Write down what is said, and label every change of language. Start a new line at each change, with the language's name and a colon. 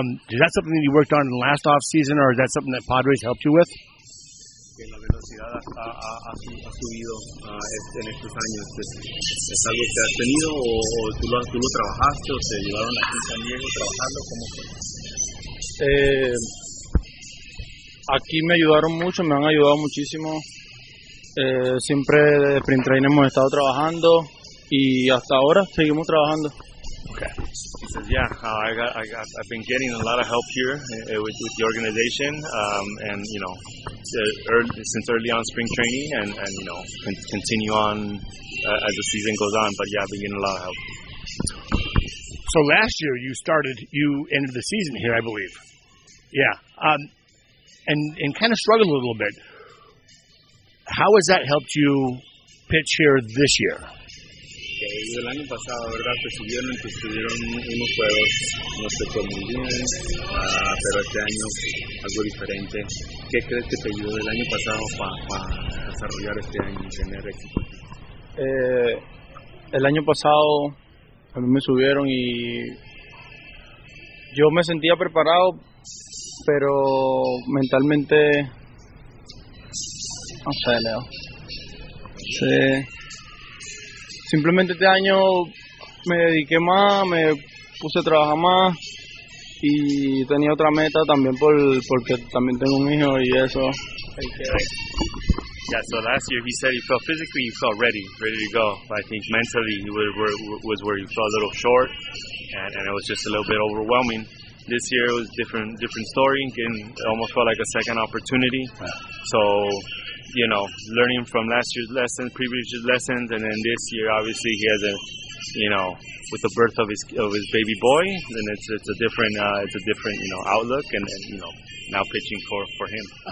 English: Is that something that you worked on in the last off season, or is that something that Padres helped you with?
Spanish: La velocidad ha subido en estos años. ¿Es algo que has tenido o tú lo trabajaste o te llevaron aquí también trabajando? ¿Cómo fue? Aquí me ayudaron mucho, me han ayudado muchísimo. Siempre de sprint training hemos estado trabajando y hasta ahora seguimos trabajando.
English: Okay. He says, yeah, I've been getting a lot of help here with the organization, and you know, since early on spring training, and you know, continue on as the season goes on. But yeah, I've been getting a lot of help. So last year you ended the season here, I believe. Yeah. And kind of struggled a little bit. How has that helped you pitch here this year?
Spanish: El año pasado, verdad, tuvieron unos juegos, no sé, fue muy bien, pero este año algo diferente. ¿Qué crees que te ayudó el año pasado para desarrollar este año y tener éxito? El año pasado a mí me subieron y yo me sentía preparado, pero mentalmente, no sé, Leo. Sí. Simplemente este año me dediqué más, me puse a trabajar más y tenía otra meta también porque también tengo un hijo y eso.
English: Yeah, so last year he said he felt physically, he felt ready to go. But I think mentally he was where he felt a little short, and it was just a little bit overwhelming. This year it was different story, and it almost felt like a second opportunity. So, you know, learning from last year's lessons, previous year's lessons, and then this year, obviously, he has a, you know, with the birth of his baby boy, then it's a different you know, outlook, and you know, now pitching for him.